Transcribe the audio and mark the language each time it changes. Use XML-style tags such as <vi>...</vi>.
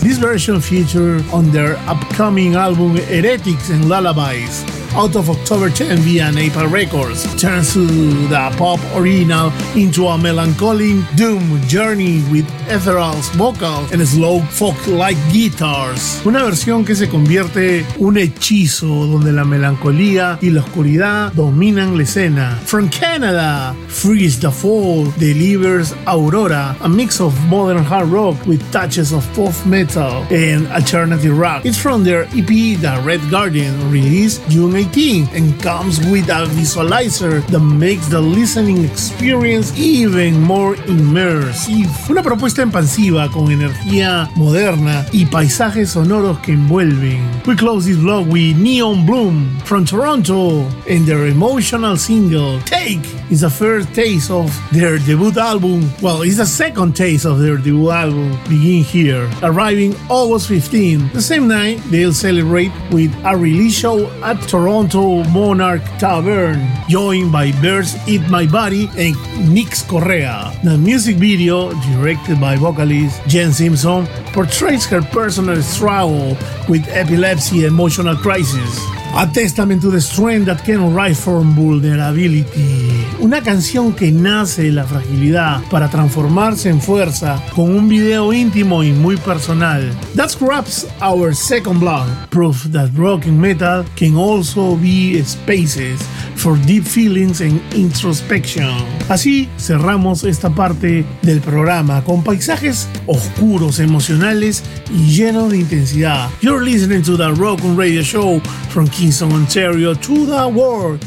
<en>This version featured on their upcoming album Heretics and Lullabies, out of October 10 via Napa Records, turns the pop original into a melancholic doom journey with ethereal vocals and slow folk-like guitars.</en> <es>Una versión que se convierte un hechizo donde la melancolía y la oscuridad dominan la escena.</es> <en>From Canada, Freeze the Fall delivers Aurora, a mix of modern hard rock with touches of pop metal and alternative rock. It's from their EP The Red Guardian, released June 18, and comes with a visualizer that makes the listening experience even more immersive.</en> <es>Una propuesta expansiva con energía moderna y paisajes sonoros que envuelven.</es> <en>We close this vlog with Neon Bloom from Toronto and their emotional single Take is the first taste of their debut album. Well, it's the second taste of their debut album, Begin Here, arriving August 15. The same night, they'll celebrate with a release show at Toronto Monarch Tavern, joined by Birds Eat My Body and Nix Correa. The music video, directed by vocalist Jen Simpson, portrays her personal struggle with epilepsy and emotional crisis. A testament to the strength that can arise from vulnerability.</en> <es>Una canción que nace de la fragilidad para transformarse en fuerza, con un video íntimo y muy personal.</es> <en>That wraps our second block. Proof that rock and metal can also be spaces for deep feelings and introspection.</en> <es>Así cerramos esta parte del programa con paisajes oscuros, emocionales y llenos de intensidad.</es> <en>You're listening to the Rock and Radio Show from Kingston, Ontario to the world.</en>